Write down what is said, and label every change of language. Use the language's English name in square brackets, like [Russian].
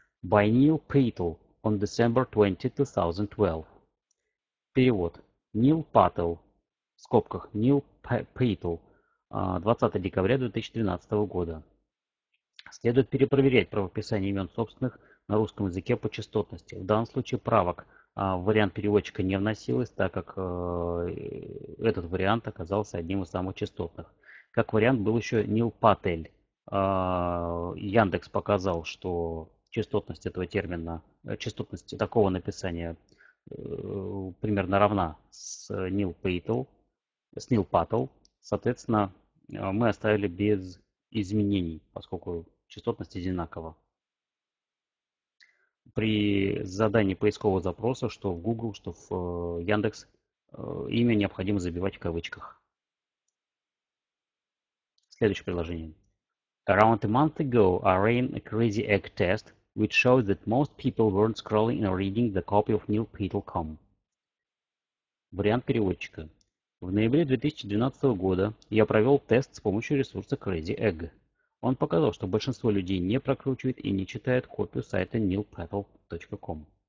[English] By Neil Patel on December 20, 2012. [Russian] Перевод. Neil Patel. В скобках Neil Patel, 20 декабря 2012 года. Следует перепроверять правописание имен собственных на русском языке по частотности. В данном случае правок в вариант переводчика не вносилось, так как этот вариант оказался одним из самых частотных. Как вариант был еще Neil Patel. Яндекс показал, что частотность этого термина, частотность такого написания примерно равна с Neil Patel. С Neil Patel, соответственно, мы оставили без изменений, поскольку частотность одинакова. При задании поискового запроса, что в Google, что в Яндекс, имя необходимо забивать в кавычках. Следующее предложение. [English] Around a month ago, I ran a crazy egg test, which showed that most people weren't scrolling and reading the copy of neilpatel.com. [Russian] Вариант переводчика. В ноябре 2012 года я провел тест с помощью ресурса Crazy Egg. Он показал, что большинство людей не прокручивает и не читает копию сайта neilpatel.com.